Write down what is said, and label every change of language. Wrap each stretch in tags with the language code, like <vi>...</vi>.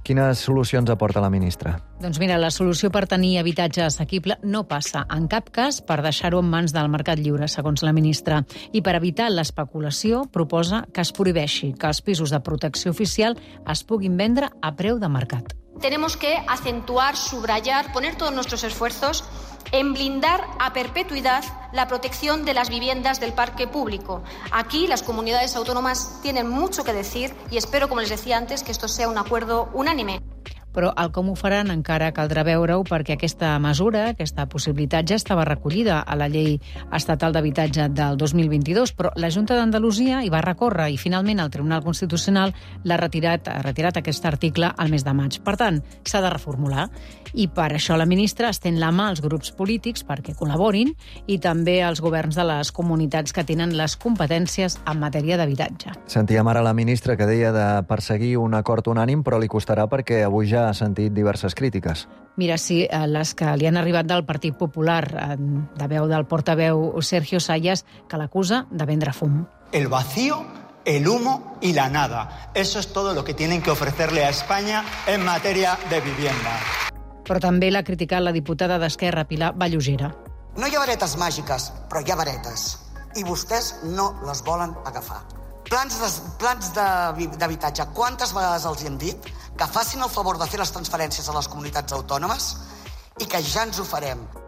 <ca>Quines solucions aporta la ministra? Doncs mira, la solució per tenir habitatge assequible no passa en cap cas per deixar-ho en mans del mercat lliure, segons la ministra. I per evitar l'especulació, proposa que es prohibeixi que els pisos de protecció oficial es puguin vendre a preu de mercat.</ca> <es>Tenemos que acentuar, subrayar, poner todos nuestros esfuerzos en blindar a perpetuidad la protección de las viviendas del parque público. Aquí las comunidades autónomas tienen mucho que decir y espero, como les decía antes, que esto sea un acuerdo unánime.</es> <ca>Però el com ho faran encara caldrà veure-ho, perquè aquesta mesura, aquesta possibilitat, ja estava recollida a la Llei Estatal d'Habitatge del 2022, però la Junta d'Andalusia hi va recórrer i finalment el Tribunal Constitucional l'ha retirat, ha retirat aquest article al mes de maig. Per tant, s'ha de reformular, i per això la ministra estén la mà als grups polítics perquè col·laborin, i també als governs de les comunitats que tenen les competències en matèria d'habitatge. Sentíem ara la ministra que deia de perseguir un acord unànim, però li costarà perquè avui ja ha sentit diverses crítiques. Mira, sí, les que li han arribat del Partit Popular, de veu del portaveu Sergio Sayas, que l'acusa de vendre fum.</ca> <es>El vacío, el humo y la nada. Eso es todo lo que tienen que ofrecerle a España en materia de vivienda.</es> <ca>Però també l'ha criticat la diputada d'Esquerra, Pilar Vallugera. No hi ha varetes màgiques, però hi ha varetes. I vostès no les volen agafar. Plans d'habitatge, quantes vegades els hi hem dit que facin el favor de fer les transferències a les comunitats autònomes i que ja ens ho farem.</ca>